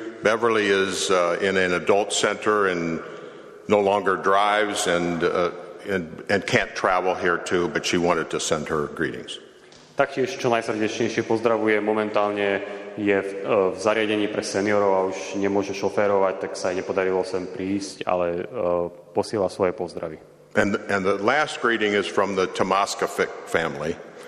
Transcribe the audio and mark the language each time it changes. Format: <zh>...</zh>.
<en>Beverly is in an adult center and no longer drives and can't travel here too, but she wanted to send her greetings.</en> <sk>Taktiež čo najsrdečnejšie pozdravuje, momentálne je v zariadení pre seniorov a už nemôže šoférovať, tak sa jej nepodarilo sem prísť, ale posiela svoje pozdravy.</sk> <en>And the last greeting is from the Tomaskovic family.</en>